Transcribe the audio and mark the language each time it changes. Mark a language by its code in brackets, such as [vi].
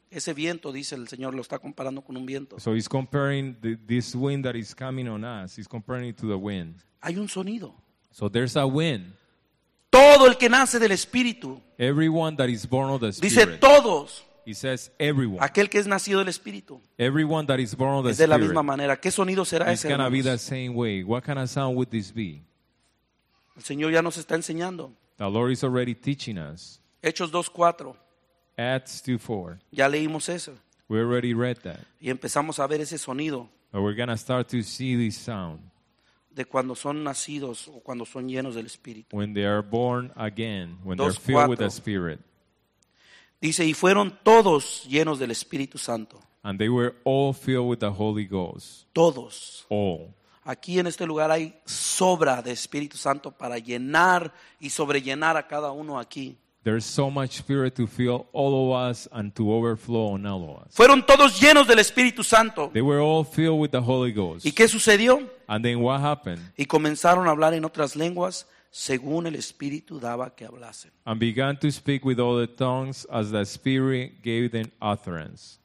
[es] Ese viento, dice el Señor, lo está comparando con un viento. [en] So he's comparing this wind that is coming on us. He's comparing it to the wind. [es] Hay un sonido. [en] So there's a wind. [es] Todo el que nace del Espíritu. [en] Everyone that is born of the Spirit. [es] Dice todos. [en] He says everyone. [es] Aquel que es nacido del Espíritu. [en] Everyone that is born of the Spirit. [es] Es de la misma manera. ¿Qué sonido será ese? [en] It's going to be the same way. What kind of sound would this be? [es] El Señor ya nos está enseñando. [en] The Lord is already teaching us. [es] Hechos 2:4. [en] Acts 2:4. [es] Ya leímos eso. [en] We already read that. [es] Y empezamos a ver ese sonido. [en] But we're going to start to see this sound. [es] De cuando son nacidos o cuando son llenos del Espíritu. [en] When they are born again, when they're filled with the Spirit. [es] Dice, y fueron todos llenos del Espíritu Santo. [en] And they were all filled with the Holy Ghost. [es] Todos. [en] All. [es] aquí en este lugar hay sobra de Espíritu Santo para llenar y sobrellenar a cada uno aquí. [en] There's so much spirit to fill all of us and to overflow on all of us. [es] Fueron todos llenos del Espíritu Santo. [en] They were all filled with the Holy Ghost. [es] ¿Y qué sucedió? [en] And then what happened? [es] Y comenzaron a hablar en otras lenguas según el Espíritu daba que hablasen. [en] And began to speak with other tongues as the Spirit gave them utterance.